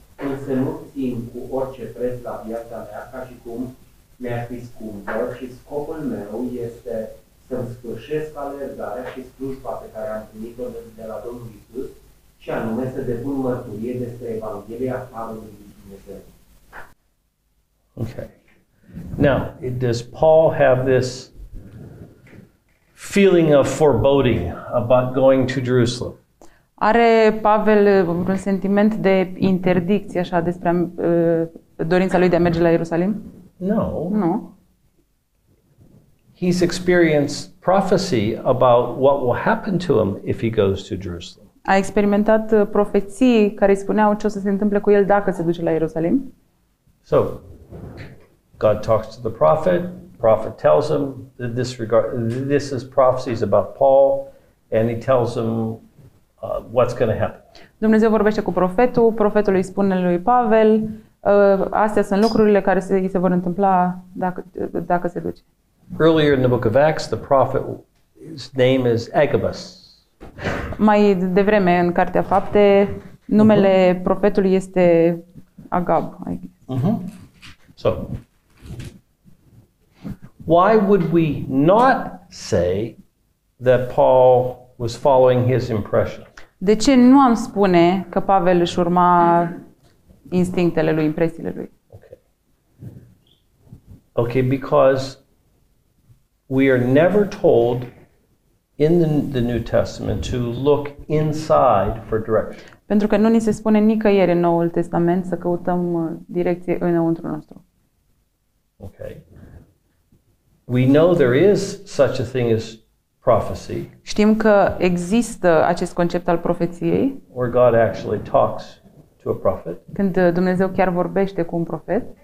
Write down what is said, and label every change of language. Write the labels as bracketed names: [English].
[Romanian] Însă nu țin cu orice preț la viața mea ca și cum mi-ar fi scumpă și scopul meu este să-mi sfârșesc alergarea și slujba pe care am primit-o de la Domnul Iisus și anume să depun mărturie despre Evanghelia Harului lui Dumnezeu. [English] Ok. Now, does Paul have this feeling of foreboding about going to Jerusalem? [Romanian] Are Pavel un sentiment de interdicție așa despre dorința lui de a merge la Ierusalim? [English] No. [Romanian] Nu. [English] He's experienced prophecy about what will happen to him if he goes to Jerusalem. [Romanian] A experimentat profeții care îi spuneau ce o să se întâmple cu el dacă se duce la Ierusalim. [English] So, God talks to the prophet. Prophet tells him that this is prophecies about Paul, and he tells him what's going to happen. [Romanian] Dumnezeu vorbește cu profetul, profetul îi spune lui Pavel, astea sunt lucrurile care se vor întâmpla dacă se duce. [English] Earlier in the book of Acts, the prophet's name is Agabus. [Romanian] Mai devreme în Cartea Fapte, numele profetului este Agab. [English] So, why would we not say that Paul was following his impression? [Romanian] De ce nu am spune că Pavel își urma instinctele lui, impresiile lui? [English] Okay. Okay, because we are never told in the New Testament to look inside for direction. [Romanian] Pentru că nu ni se spune nicăieri în Noul Testament să căutăm direcție înăuntru nostru. [English] Okay. We know there is such a thing as prophecy. [Romanian] Știm că există acest concept al profeției. [English] Where God actually talks to a prophet. [Romanian] Când Dumnezeu chiar vorbește cu un profet.